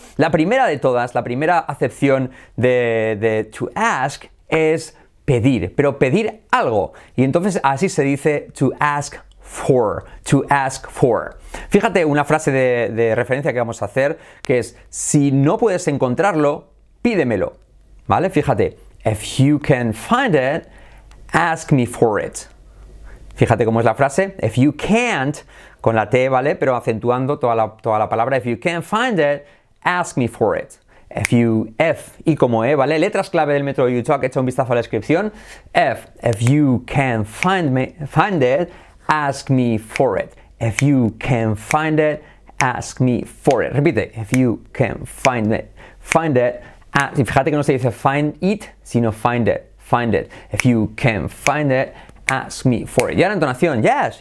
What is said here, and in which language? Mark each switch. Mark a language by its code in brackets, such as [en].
[es] La primera de todas, la primera acepción de to ask es pedir, pero pedir algo. Y entonces así se dice [en] to ask for, to ask for. [es] Fíjate una frase de referencia que vamos a hacer, que es, si no puedes encontrarlo, pídemelo. ¿Vale? [en] Fíjate, if you can find it, ask me for it. [es] Fíjate cómo es la frase, [en] if you can't, [es] con la T, ¿vale? Pero acentuando toda la palabra, [en] if you can't find it, ask me for it. If you, if, [es] y como E, ¿vale? Letras clave del método YouTube, que echa un vistazo a la descripción. [en] If you can find it, ask me for it. If you can find it, ask me for it. Repite. If you can find it. Find it. [es] Y fíjate que no se dice [en] find it, sino find it. Find it. If you can find it, ask me for it. [es] Y ahora entonación. [en] Yes.